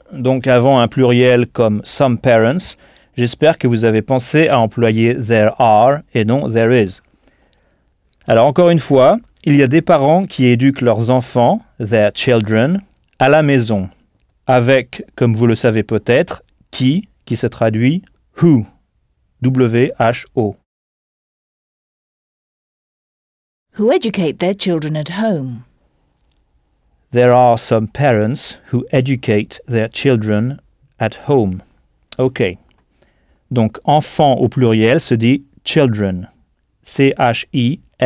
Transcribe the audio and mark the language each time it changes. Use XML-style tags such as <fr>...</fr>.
<fr>Donc avant un pluriel comme</fr> <en>some parents,</en> <fr>j'espère que vous avez pensé à employer</fr> <en>there are</en> <fr>et non</fr> <en>there is.</en> <fr>Alors encore une fois, il y a des parents qui éduquent leurs enfants,</fr> <en>their children,</en> <fr>à la maison, avec, comme vous le savez peut-être, qui se traduit who, W-H-O.</fr> <en>Who educate their children at home? There are some parents who educate their children at home.</en> <fr>OK. Donc, enfant au pluriel se dit children. C-H-I-L-D-R-E-N.</fr>